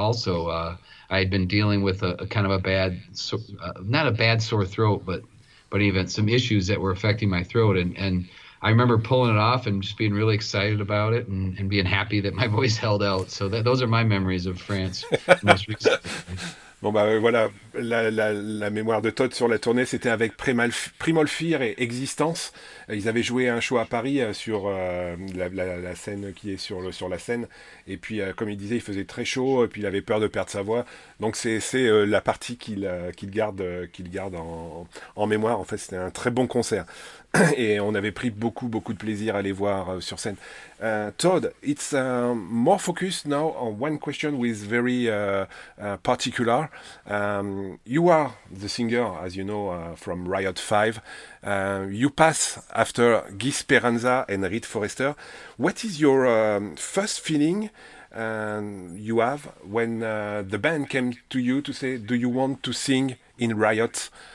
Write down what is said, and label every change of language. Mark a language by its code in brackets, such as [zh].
[en] Also, I had been dealing with a kind of a bad, not a bad sore throat, but even some issues that were affecting my throat. And I remember pulling it off and just being really excited about it and being happy that my voice held out. So those are my memories of France most recently. [fr] Bon, bah voilà, la mémoire de Todd sur la tournée, c'était avec Primal Fear et Existence. Ils avaient joué un show à Paris sur la scène qui est sur la scène. Et puis, comme il disait, il faisait très chaud et puis il avait peur de perdre sa voix. Donc, c'est la partie qu'il garde en mémoire. En fait, c'était un très bon concert. Et on avait pris beaucoup, beaucoup de plaisir à les voir sur scène. [en] Todd, it's more focused now on one question with very particular. You are the singer, as you know, from Riot 5. You pass after Guy Speranza and Reed Forrester. What is your first feeling you have when the band came to you to say, do you want to sing in Riot?